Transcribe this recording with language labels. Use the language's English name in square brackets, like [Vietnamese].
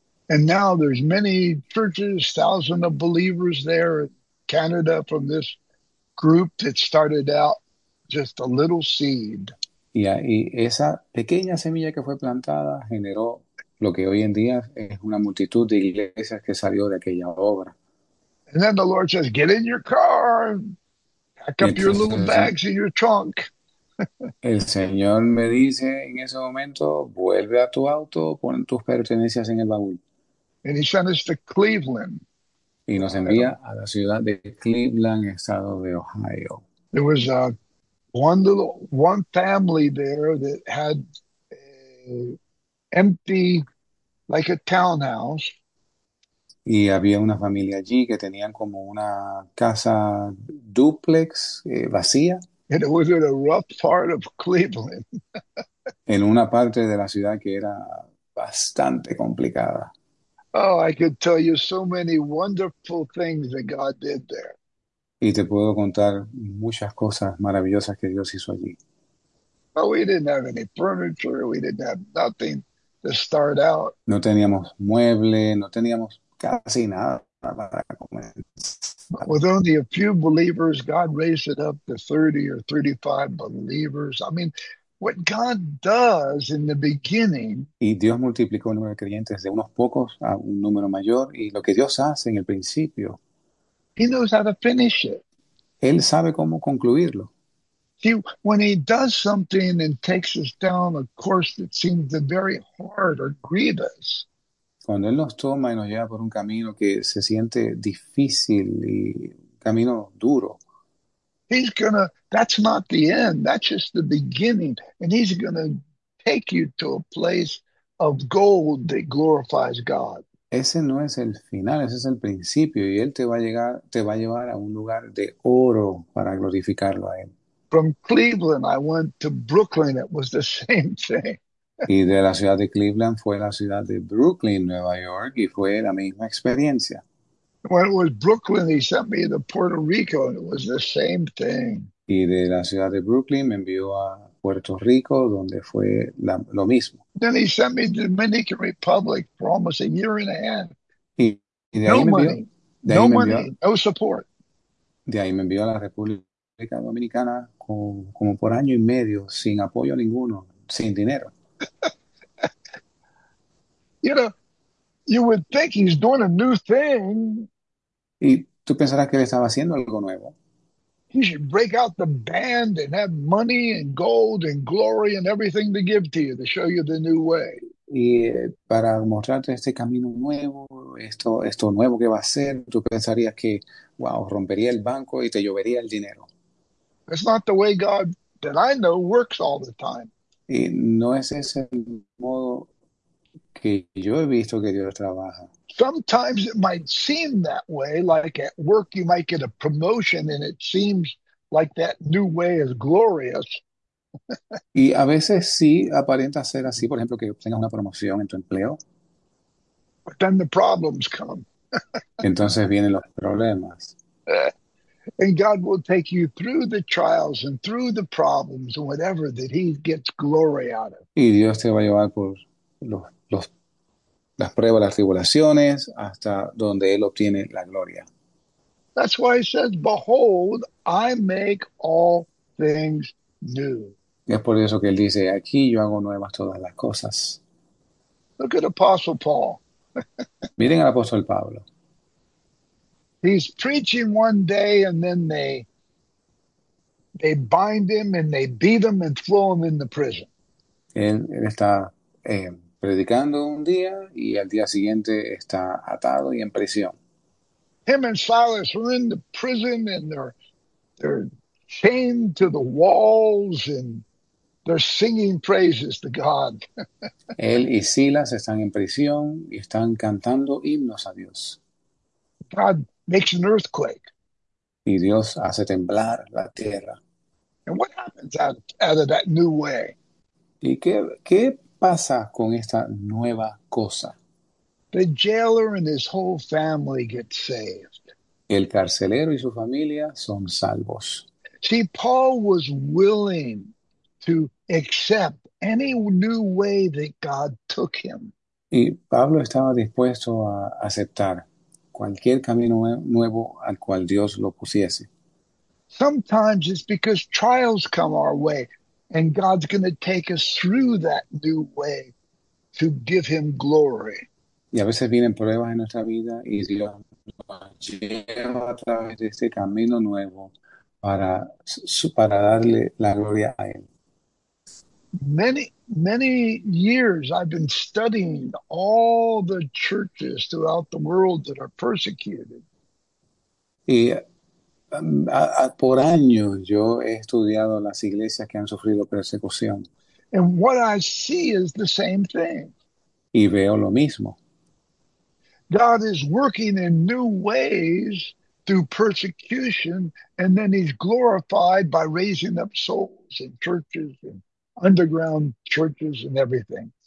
[English] Now there's many churches, thousands of believers there in Canada from this group that started out just a little seed. [Spanish] Y esa pequeña semilla que fue plantada generó lo que hoy en día es una multitud de iglesias que salió de aquella obra. [English] And then the Lord says, get in your car, pack [Spanish] Y [English] up your little [Spanish] entonces [English] bags in your trunk. [Spanish] el Señor me dice en ese momento, vuelve a tu auto, pon tus pertenencias en el baúl. [English] And he sent us to Cleveland, [Spanish] Y nos [English] Ohio. [Spanish] envía a la ciudad de Cleveland, estado de Ohio. [English] There was one family there that had empty, like a townhouse. [Spanish] Y había una familia allí que tenían como una casa dúplex vacía [English] And it was in a rough part of Cleveland. [Spanish] en una parte de la ciudad que era bastante complicada. [English] Oh, I could tell you so many wonderful things that God did there. [Spanish] Y te puedo contar muchas cosas maravillosas que Dios hizo allí. [English] Well, we didn't have any furniture, we didn't have nothing to start out. [Spanish] No teníamos mueble, no teníamos casi nada para comenzar. [English] But with only a few believers, God raised it up to 30 or 35 believers. I mean, what God does in the beginning. [Spanish] Y Dios multiplicó el número de creyentes de unos pocos a un número mayor. Y lo que Dios hace en el principio, [English] He knows how to finish it. [Spanish] Él sabe cómo concluirlo. [English] See, when he does something and takes us down a course that seems very hard or grievous, [Spanish] Cuando Él nos toma y nos lleva por un camino que se siente difícil y un camino duro. [English] he's gonna, that's not the end, that's just the beginning. And he's gonna take you to a place of gold that glorifies God. [Spanish] Ese no es el final, ese es el principio y Él te va a llevar a un lugar de oro para glorificarlo a Él. [English] From Cleveland, I went to Brooklyn. It was the same [Spanish] Y de la ciudad de Cleveland fue la ciudad de Brooklyn, Nueva York, y fue la misma experiencia. [English] When it was Brooklyn, he sent me to Puerto Rico, and it was the same thing. [Spanish] Y de la ciudad de Brooklyn me envió a Puerto Rico, donde fue lo mismo. [English] Then he sent me to the Dominican Republic for almost a year and a half. [Spanish] Y [English] No money, no money, no support. [Spanish] de ahí me envió a la República Dominicana como por año y medio, sin apoyo ninguno, sin dinero. [English] You would think he's doing a new thing. [Spanish] Y tú pensarás que él estaba haciendo algo nuevo. [English] He should break out the band and have money and gold and glory and everything to give to you to show you the new way. [Spanish] Y para mostrarte este camino nuevo, esto nuevo que va a hacer, tú pensarías que, wow, rompería el banco y te llovería el dinero. [English] It's not the way God that I know works all the time. [Spanish] Y no es ese el modo que yo he visto que Dios trabaja. [English] Sometimes it might seem that way, like at work you might get a promotion and it seems like that new way is glorious. [Spanish] Y a veces sí aparenta ser así, por ejemplo, que obtengas una promoción en tu empleo. [English] Then the problems come. [Spanish] Entonces vienen los problemas. [English] And God will take you through the trials and through the problems and whatever that He gets glory out of. [Spanish] Y Dios te va a llevar por las pruebas, las tribulaciones, hasta donde Él obtiene la gloria. [English] That's why he says, "Behold, I make all things new." [Spanish] Y es por eso que él dice, aquí yo hago nuevas todas las cosas. [English] Look at Apostle Paul. [Spanish] Miren al apóstol Pablo. [English] He's preaching one day, and then they bind him and they beat him and throw him in the prison. [Spanish] Él está predicando un día y al día siguiente está atado y en prisión. [English] Him and Silas are in the prison and they're chained to the walls and they're singing praises to God. [Spanish] Él y Silas están en prisión y están cantando himnos a Dios. [English] God makes an earthquake. [Spanish] Y Dios hace temblar la tierra. [English] And what happens out of that new way? [Spanish] ¿Y qué pasa con esta nueva cosa? [English] The jailer and his whole family get saved. [Spanish] El carcelero y su familia son salvos. [English] See, Paul was willing to accept any new way that God took him. [Spanish] Y Pablo estaba dispuesto a aceptar cualquier camino nuevo al cual Dios lo pusiese. [English] Sometimes it's because trials come our way, and God's going to take us through that new way to give him glory. [Spanish] Y a veces vienen pruebas en nuestra vida y Dios nos lleva a través de este camino nuevo para darle la gloria a Él. [English] Many, many years I've been studying all the churches throughout the world that are persecuted. [Spanish] Y por años yo he estudiado las iglesias que han sufrido persecución. [English] And what I see is the same thing. [Spanish] y veo lo mismo. [English] God is working in new ways through persecution, and then he's glorified by raising up souls and churches and underground churches and everything.